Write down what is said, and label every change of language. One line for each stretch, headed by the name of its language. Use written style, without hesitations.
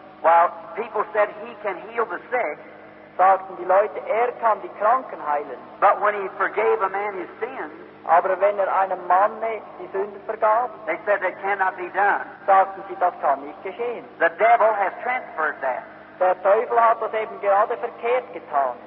English: while people said he can heal the sick,
German: sagten die Leute, er kann die Kranken heilen.
English: But when he forgave a man his sins,
German: aber wenn er einem Mann die Sünde vergab,
English: they said that cannot be done.
German: Sagten sie, das kann nicht geschehen.
English: The devil has transferred that.
German: Der Teufel hat das eben gerade verkehrt getan.